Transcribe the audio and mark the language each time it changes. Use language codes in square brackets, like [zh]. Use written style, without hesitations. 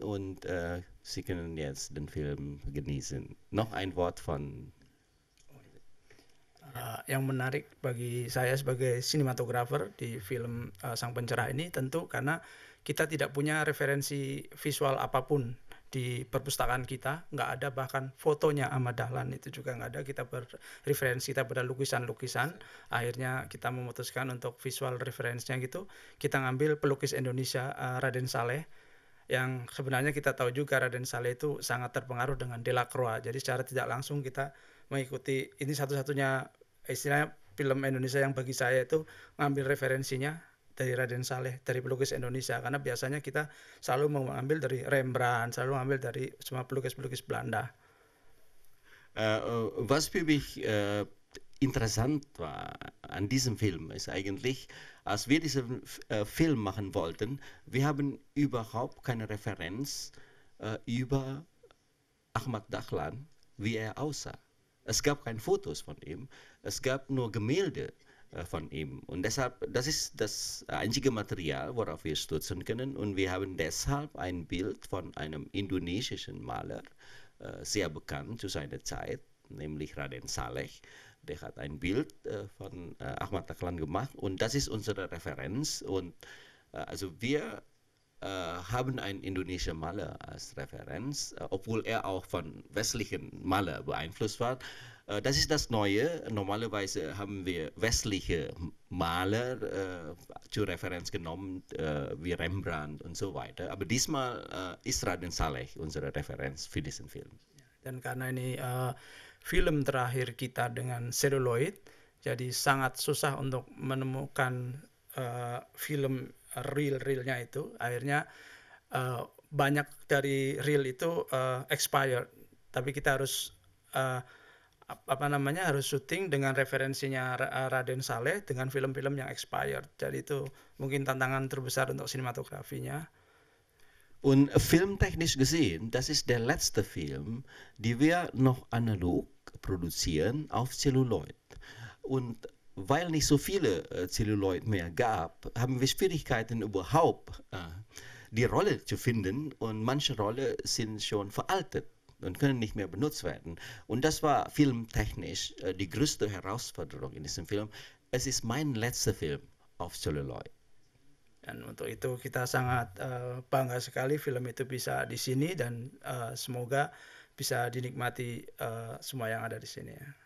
[de] Und Sie können jetzt den Film genießen. Noch ein Wort von [id] Yang menarik bagi saya sebagai sinematografer di film Sang Pencerah ini tentu karena kita tidak punya referensi visual apapun di perpustakaan kita, nggak ada bahkan fotonya Ahmad Dahlan itu juga nggak ada, kita berreferensi kita pada lukisan-lukisan, akhirnya kita memutuskan untuk visual referensinya gitu, kita ngambil pelukis Indonesia Raden Saleh, yang sebenarnya kita tahu juga Raden Saleh itu sangat terpengaruh dengan Delacroix, jadi secara tidak langsung kita mengikuti, ini satu-satunya istilahnya film Indonesia yang bagi saya itu ngambil referensinya dari Raden Saleh, dari pelukis Indonesia, karena biasanya kita selalu mengambil dari Rembrandt, selalu mengambil dari semua pelukis-pelukis Belanda. [de] Was für mich interessant war an diesem Film ist eigentlich, als wir diesen Film machen wollten, wir haben überhaupt keine Referenz über Ahmad Dahlan, wie er aussah. Es gab keine Fotos von ihm, es gab nur Gemälde von ihm. Und deshalb, das ist das einzige Material, worauf wir stützen können. Und wir haben deshalb ein Bild von einem indonesischen Maler, sehr bekannt zu seiner Zeit, nämlich Raden Saleh. Der hat ein Bild von Ahmad Dahlan gemacht und das ist unsere Referenz. Und also wir haben einen indonesischen Maler als Referenz, obwohl er auch von westlichen Malern beeinflusst war. Das ist das Neue. Normalerweise haben wir westliche Maler zur Referenz genommen, wie Rembrandt und so weiter. Aber diesmal ist Raden Saleh unsere Referenz für diesen Film. [id] Dan karena ini film terakhir kita dengan celluloid, jadi sangat susah untuk menemukan film real-realnya itu. Akhirnya banyak dari real itu expired. Tapi kita harus harus syuting dengan referensinya Raden Saleh dengan film-film yang expired. Jadi itu mungkin tantangan terbesar untuk sinematografinya. [de] Und filmtechnisch gesehen, das ist der letzte Film, die wir noch analog produzieren auf Celluloid. Und weil nicht so viele Celluloid mehr gab, haben wir Schwierigkeiten überhaupt, die Rolle zu finden. Und manche Rolle sind schon veraltet und können nicht mehr benutzt werden. Und das war filmtechnisch die größte Herausforderung in diesem Film. Es ist mein letzter Film auf Celluloid. [id] Dan untuk itu kita sangat bangga sekali film itu bisa di sini dan semoga bisa dinikmati semua yang ada di sini.